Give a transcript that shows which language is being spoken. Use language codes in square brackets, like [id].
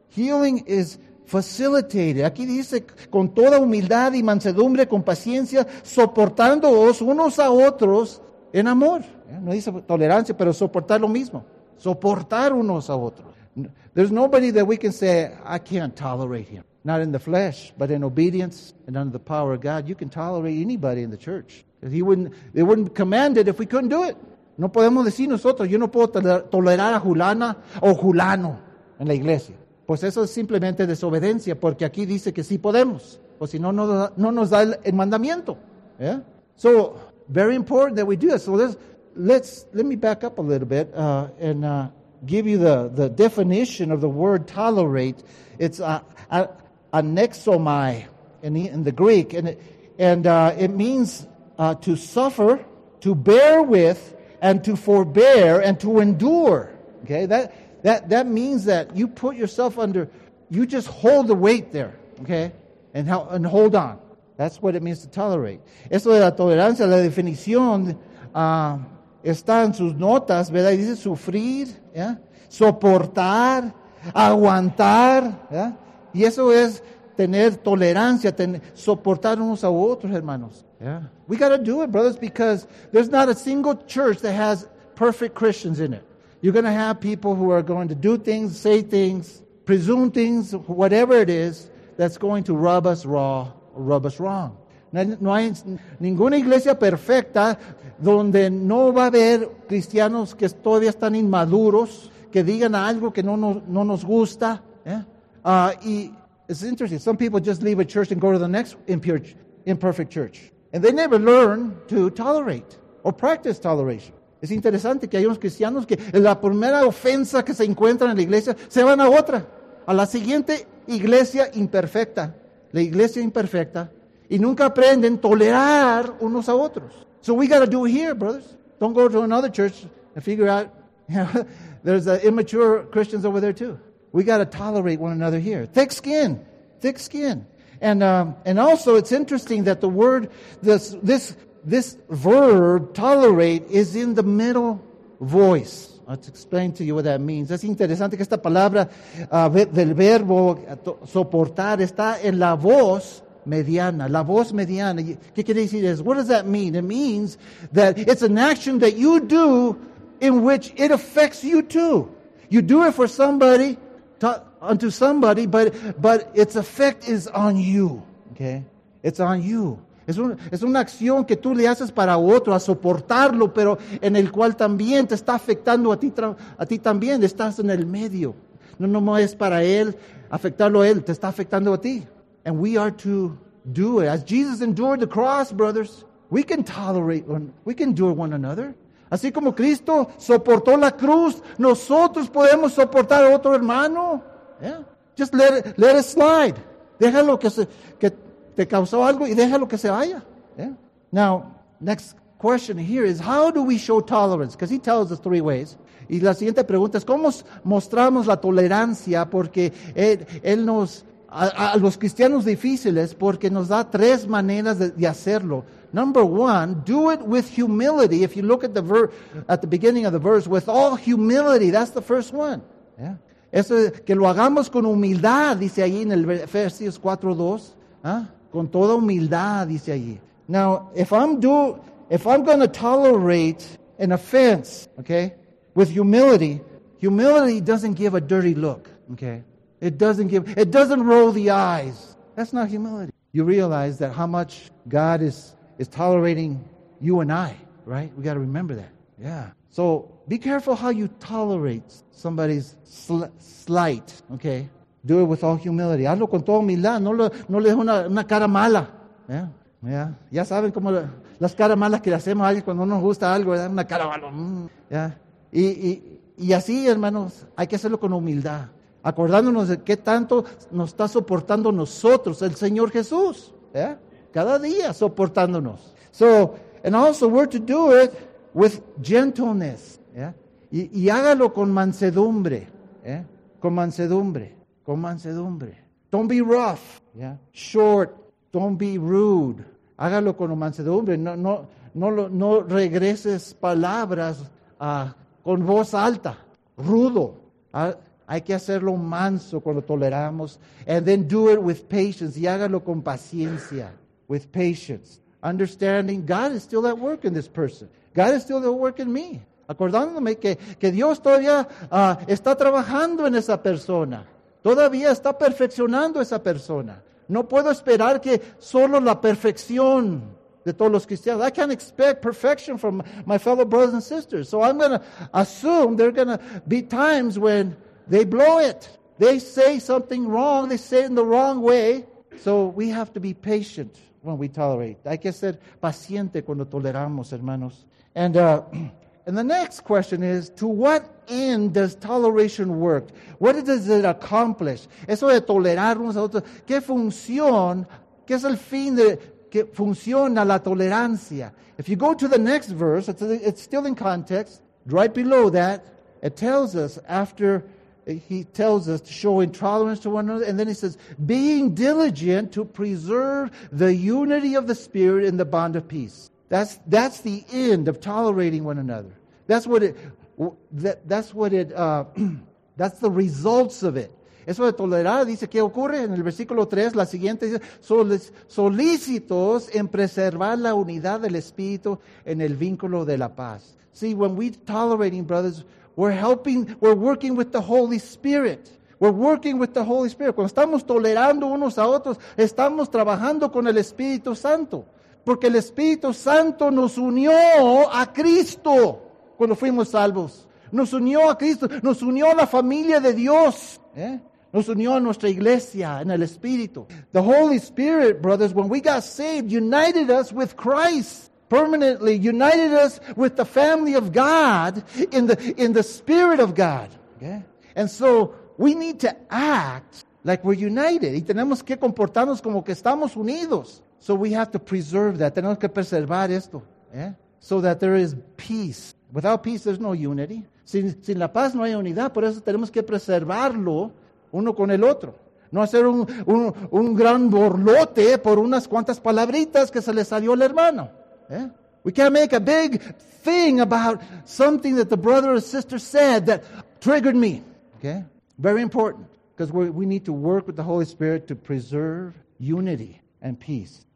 [en] Healing is facilitated. [es] Aquí dice, con toda humildad y mansedumbre, con paciencia, soportándoos unos a otros en amor. No dice tolerancia, pero soportar lo mismo. Soportar unos a otros. [en] There's nobody that we can say, I can't tolerate him. Not in the flesh, but in obedience and under the power of God. You can tolerate anybody in the church. They wouldn't command it if we couldn't do it. [es] No podemos decir nosotros, yo no puedo tolerar a Julana o Julano en la iglesia. Pues eso es simplemente desobediencia, porque aquí dice que sí podemos. O si no, no nos da el mandamiento. [en] Yeah? So, very important that we do it. So, let me back up a little bit give you the definition of the word tolerate. It's anexomai in the Greek. It means to suffer, to bear with, and to forbear, and to endure. Okay, that means that you put yourself under, you just hold the weight there, okay, and hold on. That's what it means to tolerate. [es] Eso de la tolerancia, la definición, está en sus notas, ¿verdad? Y dice sufrir, ¿eh? Soportar, aguantar, ¿eh? Y eso es tener tolerancia, soportar unos a otros, hermanos. [en] Yeah. We got to do it, brothers, because there's not a single church that has perfect Christians in it. You're going to have people who are going to do things, say things, presume things, whatever it is, that's going to rub us raw, rub us wrong. [es] No hay ninguna iglesia perfecta donde no va a haber cristianos que todavía están inmaduros, que digan algo que no nos gusta. [en] Yeah? It's interesting. Some people just leave a church and go to the next imperfect church. And they never learn to tolerate or practice toleration. [es] Es interesante que hay unos cristianos que la primera ofensa que se encuentran en la iglesia, se van a otra, a la siguiente iglesia imperfecta, la iglesia imperfecta, y nunca aprenden a tolerar unos a otros. [en] So we got to do it here, brothers. Don't go to another church and figure out, you know, there's immature Christians over there too. We got to tolerate one another here. Thick skin. And also, it's interesting that the word, this verb, tolerate, is in the middle voice. Let's explain to you what that means. [es] Es interesante que esta palabra del verbo soportar está en la voz mediana. La voz mediana. ¿Qué quiere decir eso? [en] What does that mean? It means that it's an action that you do in which it affects you too. You do it for somebody, unto somebody, but its effect is on you. Okay, it's on you. [es] Es una acción que tú le haces para otro, a soportarlo, pero en el cual también te está afectando a ti también. Estás en el medio. No es para él afectarlo a él. Te está afectando a ti. [en] And we are to do it as Jesus endured the cross, brothers. We can tolerate one. We can endure one another. [es] Así como Cristo soportó la cruz, nosotros podemos soportar a otro hermano. Yeah. [en] Just let it slide. [es] Déjalo que te causó algo y déjalo que se vaya. [en] Yeah. Now, next question here is, how do we show tolerance? Because he tells us three ways. [es] Y la siguiente pregunta es, ¿cómo mostramos la tolerancia? Porque él nos, a los cristianos difíciles, porque nos da tres maneras de hacerlo. [en] Number one, do it with humility. If you look at the at the beginning of the verse, with all humility, that's the first one. Yeah. [es] Eso que lo hagamos con humildad, dice ahí en el Efesios 4:2, ¿eh? Con toda humildad, dice ahí. [en] Now, if I'm going to tolerate an offense, okay, with humility, humility doesn't give a dirty look, okay? It doesn't roll the eyes. That's not humility. You realize that how much God is tolerating you and I, right? We got to remember that. Yeah. So, be careful how you tolerate somebody's slight, okay? Do it with all humility. [es] Hazlo con toda humildad. No le des una cara mala. Yeah? Yeah? Ya saben cómo las caras malas que le hacemos a alguien cuando no nos gusta algo, ¿verdad? Una cara mala. Yeah? Y así, hermanos, hay que hacerlo con humildad, acordándonos de qué tanto nos está soportando nosotros el Señor Jesús, ¿eh? Cada día soportándonos. [en] So, and also we're to do it with gentleness, ¿eh? [es] Y hágalo con mansedumbre, ¿eh? Con mansedumbre, con mansedumbre. [en] Don't be rough, ¿eh? Short, don't be rude. [es] Hágalo con mansedumbre, no regreses palabras con voz alta, rudo. Hay que hacerlo manso cuando toleramos. [en] And then do it with patience. [es] Y hágalo con paciencia. [en] With patience. Understanding God is still at work in this person. God is still at work in me. [es] Acordándome que Dios todavía está trabajando en esa persona. Todavía está perfeccionando esa persona. No puedo esperar que solo la perfección de todos los cristianos. [en] I can't expect perfection from my fellow brothers and sisters. So I'm going to assume there are going to be times when they blow it. They say something wrong. They say it in the wrong way. So we have to be patient when we tolerate. [es] Hay que ser paciente cuando toleramos, hermanos. [en] And the next question is, to what end does toleration work? What does it accomplish? [es] Eso de tolerar unos a otros. ¿Qué función? ¿Qué es el fin de que funciona la tolerancia? [en] If you go to the next verse, it's still in context. Right below that, it tells us after... He tells us to show intolerance to one another. And then he says, being diligent to preserve the unity of the Spirit in the bond of peace. That's the end of tolerating one another. That's the results of it. [es] Eso de tolerar, dice, ¿qué ocurre? En el versículo 3, la siguiente dice, solícitos en preservar la unidad del Espíritu en el vínculo de la paz. [en] See, when we tolerating, brothers, we're working with the Holy Spirit. We're working with the Holy Spirit. [es] Cuando estamos tolerando unos a otros, estamos trabajando con el Espíritu Santo. Porque el Espíritu Santo nos unió a Cristo cuando fuimos salvos. Nos unió a Cristo, nos unió a la familia de Dios. ¿Eh? Nos unió a nuestra iglesia en el Espíritu. [en] The Holy Spirit, brothers, when we got saved, united us with Christ. Permanently united us with the family of God in the Spirit of God. Okay? And so we need to act like we're united. [es] Y tenemos que comportarnos como que estamos unidos. [en] So we have to preserve that. [es] Tenemos que preservar esto. [en] Yeah? So that there is peace. Without peace, there's no unity. [es] Sin la paz, no hay unidad. Por eso tenemos que preservarlo uno con el otro. No hacer un gran borlote por unas cuantas palabritas que se le salió al hermano. [en] Yeah? We can't make a big thing about something that the brother or sister said that triggered me. Okay, very important, because we need to work with the Holy Spirit to preserve unity and peace.